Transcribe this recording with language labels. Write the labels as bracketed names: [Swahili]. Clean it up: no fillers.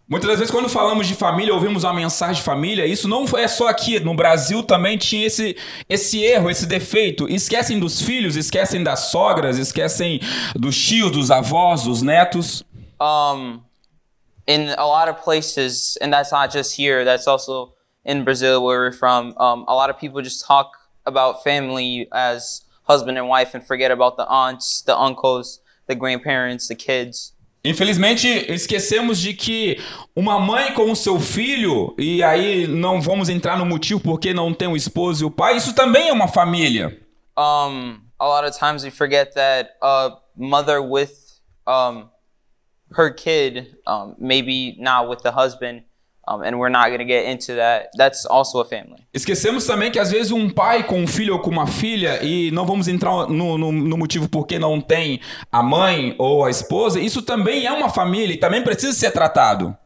[Portuguese] Muitas das vezes quando falamos de família, ouvimos uma mensagem de família, isso não é só aqui, no Brasil também tinha esse erro, esse defeito. Esquecem dos filhos, esquecem das sogras, esquecem dos tios, dos avós, dos netos. [English] In a lot of places, and that's not just here, that's also in Brazil where we're from, a lot of people just talk about family as husband and wife and forget about the aunts, the uncles, the grandparents, the kids. [Portuguese] Infelizmente, esquecemos de que uma mãe com o seu filho, e aí não vamos entrar no motivo porque não tem o esposo e o pai, isso também é uma família. [English] A lot of times we forget that a mother with her kid, maybe not with the husband, and we're not going to get into that. That's also a family. [Portuguese] Esquecemos também que às vezes um pai com um filho ou com uma filha, e não vamos entrar no motivo porque não tem a mãe ou a esposa, isso também é uma família e também precisa ser tratado.